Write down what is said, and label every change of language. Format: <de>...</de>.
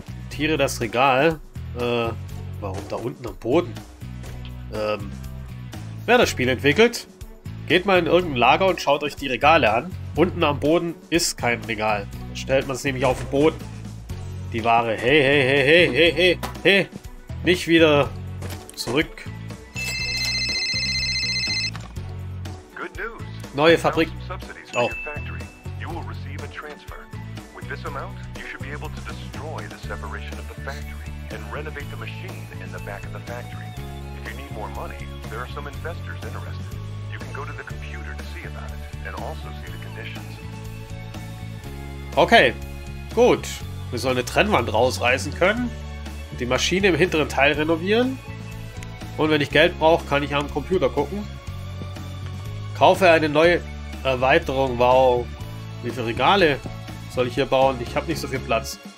<de>Tiere das Regal. Warum da unten am Boden? Wer das Spiel entwickelt, geht mal in irgendein Lager und schaut euch die Regale an. Unten am Boden ist kein Regal. Da stellt man es nämlich auf den Boden. Die Ware. Hey, hey, hey, hey, hey, hey, hey. Nicht wieder zurück. Neue Fabrik.</de> <en>Oh. You will receive a transfer. With this amount, you should be able to destroy the separation of the factory and renovate the machine in the back of the factory. If you need more money, there are some investors interested. You can go to the computer to see about it and also see the conditions.</en> <de>Okay. Gut. Wir sollen eine Trennwand rausreißen können, die Maschine im hinteren Teil renovieren und wenn ich Geld brauche, kann ich am Computer gucken. Kaufe eine neue Erweiterung. Wow. Wie viele Regale soll ich hier bauen? Ich habe nicht so viel Platz.</de>